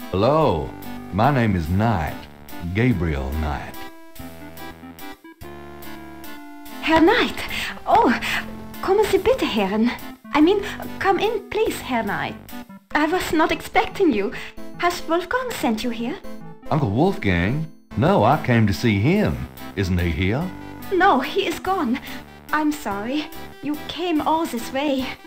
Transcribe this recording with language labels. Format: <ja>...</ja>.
<en>Hello, my name is Knight, Gabriel Knight.</en> <de>Herr Knight, oh, kommen Sie bitte, Herren.</de> <en>I mean, come in, please, Herr Knight. I was not expecting you. Has Wolfgang sent you here? Uncle Wolfgang? No, I came to see him. Isn't he here? No, he is gone. I'm sorry. You came all this way.</en>